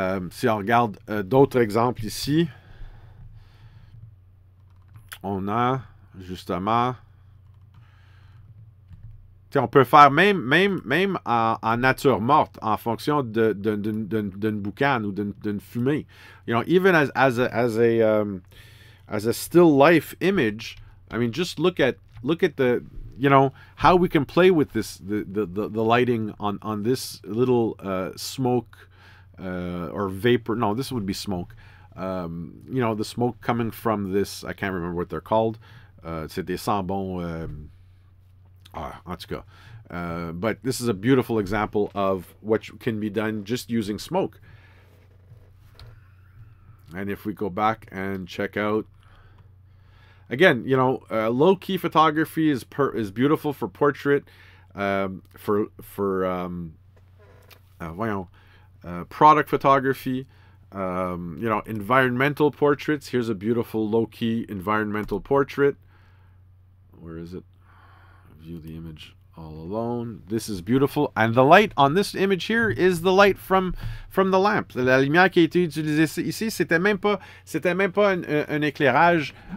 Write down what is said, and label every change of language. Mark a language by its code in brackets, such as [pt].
[fr] Si on regarde d'autres exemples ici, on a justement. On peut faire même en nature morte, en fonction d'une boucane ou d'une fumée. [en] You know, even as a still life image, I mean, just look at the, you know, how we can play with this, the lighting on this little smoke or vapor. No, this would be smoke. You know, the smoke coming from this, I can't remember what they're called. [fr] C'est des sambons. En tout cas, [en] but this is a beautiful example of what can be done just using smoke. And if we go back and check out, again, you know, low-key photography is beautiful for portrait, product photography, you know, environmental portraits. Here's a beautiful low-key environmental portrait. Where is it? View the image all alone. This is beautiful. And the light on this image here is the light from the lamp. [fr] La lumière qui a été utilisée ici, c'était même pas un éclairage